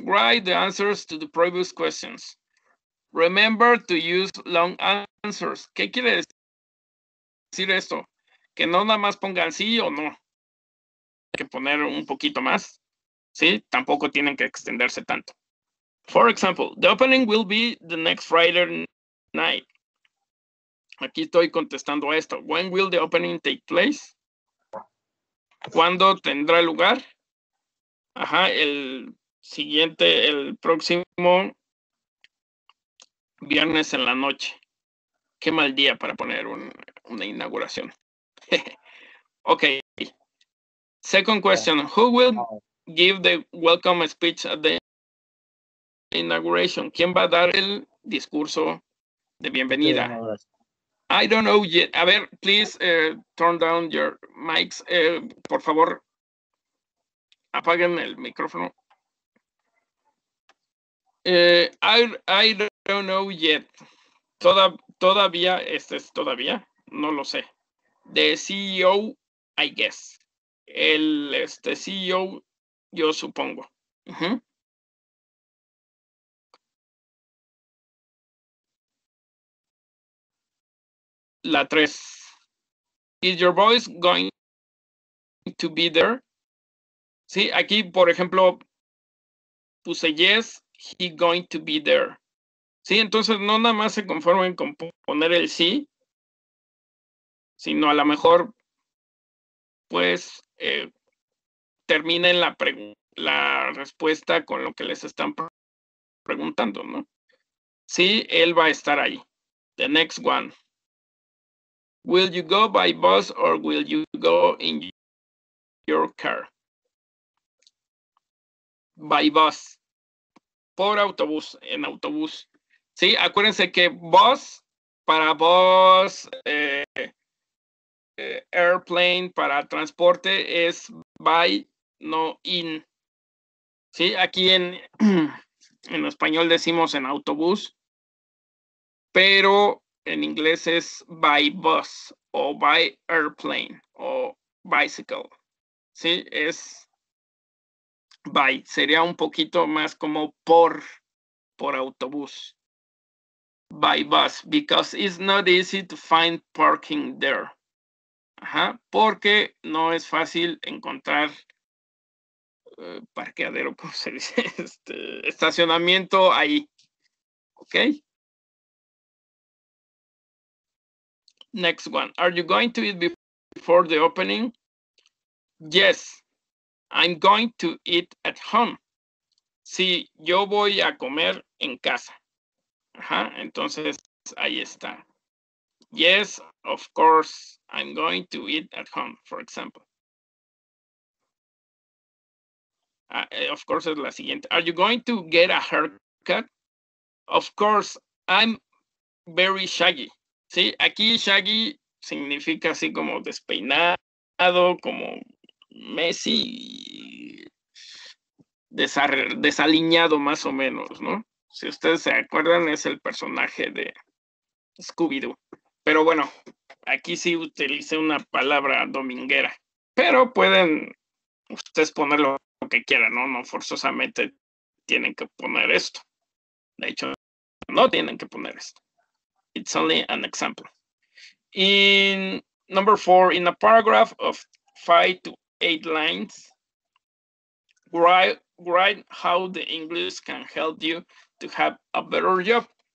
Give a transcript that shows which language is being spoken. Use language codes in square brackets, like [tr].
[en] Write the answers to the previous questions. Remember to use long answers. [es] ¿Qué quiere decir esto, que no nada más pongan sí o no, hay que poner un poquito más, ¿sí? Tampoco tienen que extenderse tanto. [en] For example, the opening will be the next Friday night. [es] Aquí estoy contestando a esto. [en] When will the opening take place? [es] ¿Cuándo tendrá lugar? Ajá, el siguiente, el próximo viernes en la noche. Qué mal día para poner una inauguración. [en] Ok. Second question. Who will give the welcome speech at the inauguration? [es] ¿Quién va a dar el discurso de bienvenida? [en] I don't know yet. [es] A ver, [en] please turn down your mics. [es] Por favor, apaguen el micrófono. [en] I don't know yet. [es] Todavía, no lo sé. [en] The CEO, I guess. [es] El CEO, yo supongo. La 3. [en] Is your voice going to be there? [es] Sí, aquí, por ejemplo, puse [en] yes, he going to be there. [es] Sí, entonces no nada más se conformen con poner el sí, sino a lo mejor, pues, terminen la respuesta con lo que les están preguntando, ¿no? Sí, él va a estar ahí. [en] The next one. Will you go by bus or will you go in your car? By bus. [es] Por autobús, en autobús. Sí, acuérdense que bus, para bus, airplane, para transporte, es by, no in. Sí, aquí en español decimos en autobús, pero en inglés es [en] by bus, [es] o [en] by airplane, [es] o bicycle. Sí, es by, sería un poquito más como por autobús. [en] By bus, because it's not easy to find parking there. [es] Ajá, porque no es fácil encontrar parqueadero, ¿cómo se dice? Estacionamiento ahí. Ok. [en] Next one. Are you going to eat before the opening? Yes, I'm going to eat at home. [es] Sí, yo voy a comer en casa. Ajá, entonces ahí está. [en] Yes, of course, I'm going to eat at home, for example. Of course, [es] es la siguiente. [en] Are you going to get a haircut? Of course, I'm very shaggy. [es] Sí, aquí shaggy significa así como despeinado, como Messi, desaliñado más o menos, ¿no? Si ustedes se acuerdan, es el personaje de Scooby-Doo. Pero bueno, aquí sí utilicé una palabra dominguera. Pero pueden ustedes poner lo que quieran, ¿no? No forzosamente tienen que poner esto. De hecho, no tienen que poner esto. [en] It's only an example. In number 4, in a paragraph of 5 to 8 lines, write how the English can help you to have a better job.